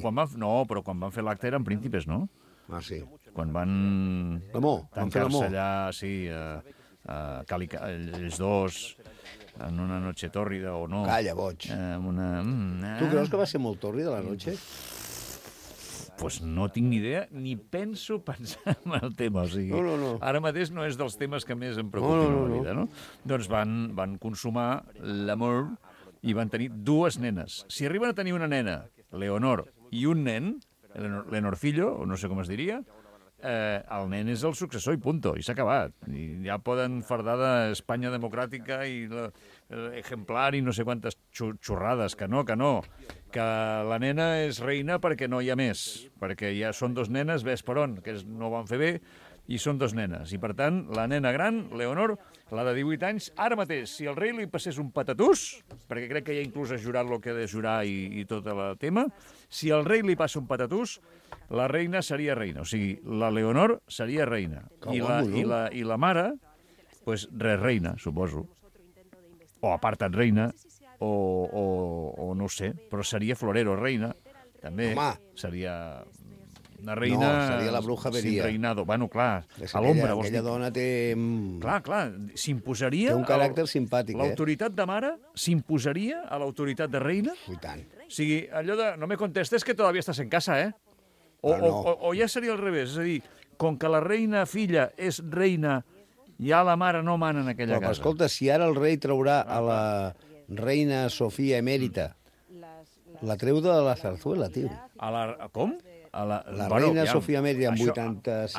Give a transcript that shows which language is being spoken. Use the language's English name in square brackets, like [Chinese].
[Catalan] quan van fer l'acte eren príncipes, no? Ah, sí. Quan van tancar-se allà, sí, ells dos en una noche tòrrida o no. Calla, boig. Tu creus que va ser molt tòrrida la noche? Pues no tinc ni idea, ni penso pensar en el tema. O sigui, no. Ara mateix no és dels temes que més em preocupen la vida, no? Doncs van consumar l'amor i van tenir dues nenes. Si arriben a tenir una nena, Leonor, i un nen, Leonorcillo, o no sé com es diria, el nen és el successor i punto, i s'ha acabat. I ja poden fardar d'Espanya democràtica i l'exemplar i no sé quantes xorrades, que no, que no. Que la nena és reina perquè no hi ha més, perquè ja són dos nenes, ves per on, que no ho van fer bé, i són dos nenes. I, per tant, la nena gran, Leonor, la de 18 anys, ara mateix, si el rei li passés un patatús, perquè crec que ja inclús ha jurat el que ha de jurar i tot el tema, si el rei li passa un patatús, la reina seria reina. O sigui, la Leonor seria reina. I la mare, pues, res reina, suposo. O aparta't reina, o no ho sé, però seria florero reina, també. Home. Seria... una reina... No, seria la bruja Veria. [Spanish] Sin reinado. [Catalan] Bueno, clar, a l'ombra. Aquella dona té... Clar, clar, s'imposaria... Té un caràcter simpàtic, L'autoritat de mare s'imposaria a l'autoritat de reina? I tant. O sigui, allò de... [Spanish] No me contestes que todavía estás en casa, eh? [Catalan] O ja seria al revés. És a dir, com que la reina filla és reina, ja la mare no mana en aquella casa. Però, escolta, si ara el rei traurà a la reina Sofia Emèrita, la treu de la zarzuela, tio. A la... Com? Reina Sofia Emèrita, amb 85 anys...